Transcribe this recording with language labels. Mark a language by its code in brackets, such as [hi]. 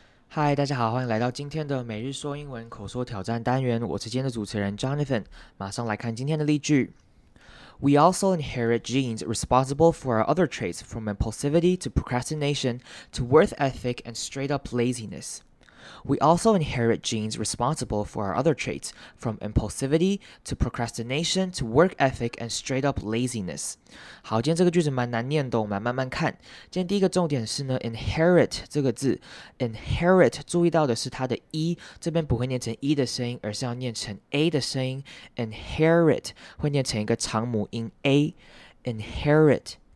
[zh] 嗨，大家好，欢迎来到今天的每日说英文口说挑战单元，我是今天的主持人 Jonathan。马上来看今天的例句。 [en] We also inherit genes responsible for our other traits, from impulsivity to procrastination to work ethic and straight-up laziness. We also inherit genes responsible for our other traits, from impulsivity to procrastination to work ethic and straight up laziness。 [zh] 好，今天这个句子蛮难念的，我们来慢慢看。今天第一个重点是呢 ，inherit 这个字 ，inherit 注意到的是它的 e， 这边不会念成 e 的声音，而是要念成 a 的声音 ，inherit 会念成一个长母音 a，inherit。